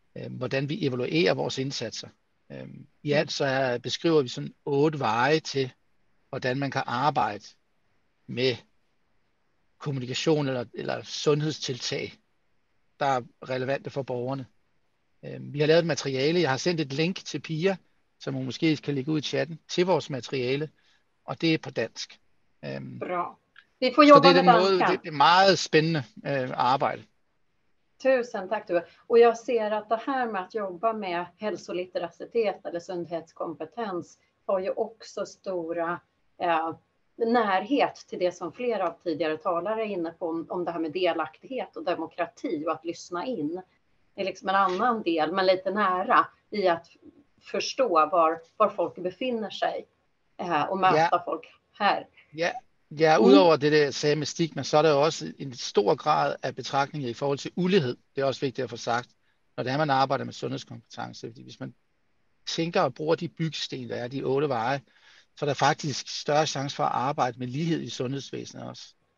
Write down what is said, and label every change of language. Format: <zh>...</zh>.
<da>Hvordan vi evaluerer vores indsatser. I alt så beskriver vi sådan 8 veje til, hvordan man kan arbejde med kommunikation eller sundhedstiltag, der er relevante for borgerne. Vi har lavet et materiale. Jeg har sendt et link til Pia, som hun måske kan lægge ud i chatten, til vores materiale, og det er på dansk.</da> <no>Bra. Vi får jobbe med danskere.</no> <da>Det er et meget spændende arbejde.</da> <sv>Tusen tack, du. Och jag ser att det här med att jobba med hälsolitteracitet eller sundhetskompetens har ju också stora närhet till det som flera av tidigare talare är inne på om det här med delaktighet och demokrati och att lyssna in. Det är liksom en annan del, men lite nära i att förstå var folk befinner sig och möta folk här.</sv> <da>Ja, udover det der sagde med stigma, så er der jo også en stor grad af betragtninger i forhold til ulighed. Det er også vigtigt at få sagt, når det er, man arbejder med sundhedskompetence. Fordi hvis man tænker og bruger de byggesten, der er de 8 veje, så er der faktisk større chance for at arbejde med lighed i sundhedsvæsenet også.</da>